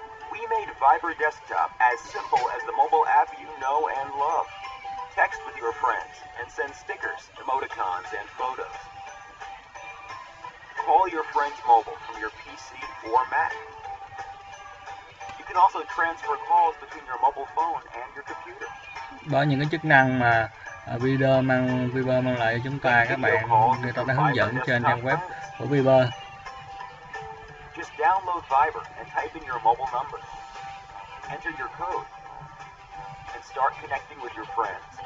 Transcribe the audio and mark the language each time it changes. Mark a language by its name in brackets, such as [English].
[English] We made Viber desktop as simple as the mobile app you know and love. Text with your friends and send stickers, emoticons, and photos. Call your friend's mobile from your PC or Mac. You can also transfer calls between your mobile phone and your computer. [Vietnamese] Đó, những cái chức năng mà Viber mang lại cho chúng ta, các bạn người ta đã hướng dẫn trên trang web của Viber. [English] Just download Viber and type in your mobile number. Enter your code and start connecting with your friends.